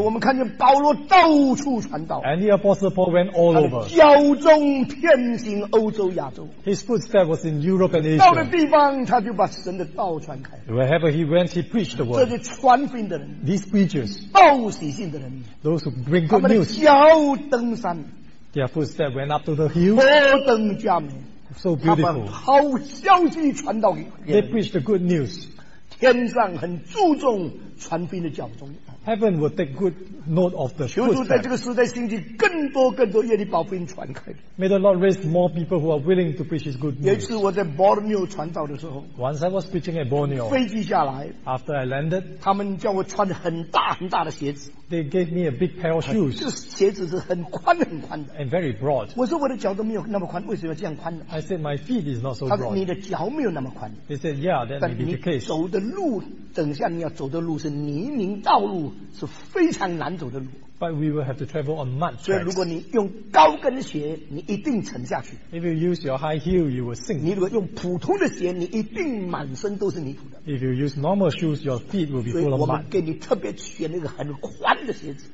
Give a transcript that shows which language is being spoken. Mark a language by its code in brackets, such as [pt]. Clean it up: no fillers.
[zh] 有我们看见保罗到处传道。 [en] And the apostle Paul went all over. [zh] 脚踪遍行欧洲亚洲。 [en] His footstep was in Europe and Asia. [zh] 到了地方，他就把神的道传。 [en] Wherever he went, he preached the word. [zh] 这些传福音的人， [en] these preachers, [zh] 报喜信的人， [en] those who bring good news, [zh] 他们的脚登山， [en] their footstep went up to the hill, [zh] 何等佳美， [en] so beautiful. [zh] 他们好消息传道给人， [en] they preached the good news. [zh] 天上很注重传福音的脚踪。 [en] Heaven will take good note of the footsteps. [zh] 求主在这个时代兴起更多更多愿意把福音传开。 [en] May the Lord raise more people who are willing to preach His good news. [zh] 有一次我在 Borneo 传道的时候， [en] Once I was preaching at Borneo. [zh] 飞机下来， [en] After I landed, [zh] 他们叫我穿很大很大的鞋子。 [en] They gave me a big pair of shoes. [zh] 这鞋子是很宽很宽的。 [en] And very broad. [zh] 我说我的脚都没有那么宽，为什么要这样宽呢？ [en] I said my feet is not so broad. [zh] 他说你的脚没有那么宽。 [en] They said yeah, that may be the case. [zh] 但你走的路，等下你要走的路是泥泞道路。是非常难走的路。 [en] But we will have to travel on mud tracks. [zh] 所以如果你用高跟鞋，你一定沉下去。 [en] If you use your high heel, you will sink. [zh] 你如果用普通的鞋，你一定满身都是泥土的。 [en] If you use normal shoes, your feet will be full of mud. [zh] 所以我们给你特别选那个很宽的鞋子。